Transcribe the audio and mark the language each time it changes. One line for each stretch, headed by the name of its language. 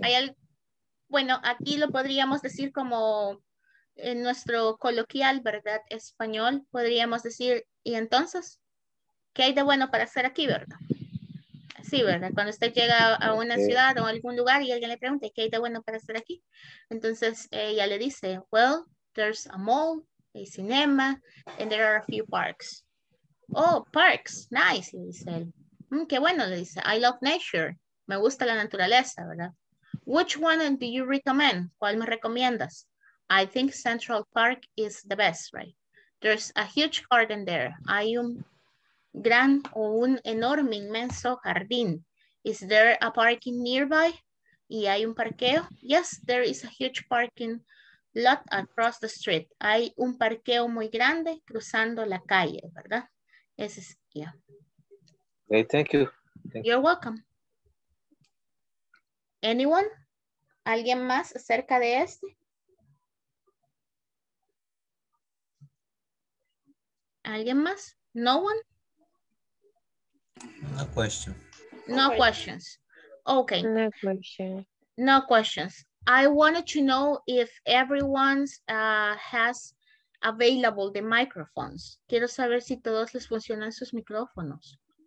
Spanish: Hay, bueno, aquí lo podríamos decir como en nuestro coloquial, ¿verdad? Español, podríamos decir, ¿y entonces? ¿Qué hay de bueno para hacer aquí, verdad? Sí, ¿verdad? Cuando usted llega a una ciudad o a algún lugar y alguien le pregunta, ¿qué hay de bueno para hacer aquí? Entonces ella le dice,
English: well, there's a mall, a cinema, and there are a few parks. Oh, parks, nice,
Spanish: le dice él. Qué bueno, le dice,
English: I love nature.
Spanish: Me gusta la naturaleza, ¿verdad?
English: Which one do you recommend?
Spanish: ¿Cuál me recomiendas?
English: I think Central Park is the best, right? There's a huge garden there.
Spanish: Hay un gran o un enorme, inmenso jardín.
English: Is there a parking nearby?
Spanish: ¿Y hay un parqueo?
English: Yes, there is a huge parking lot across the street.
Spanish: Hay un parqueo muy grande cruzando la calle, ¿verdad? Ese es, yeah.
English: Okay, thank you. You're welcome.
Spanish: Anyone? ¿Alguien más acerca de este? ¿Alguien más?
English: No one? No question. No questions. Okay. No question. No questions. I wanted to know if everyone has available the microphones.
Spanish: Quiero saber si todos les funcionan sus micrófonos.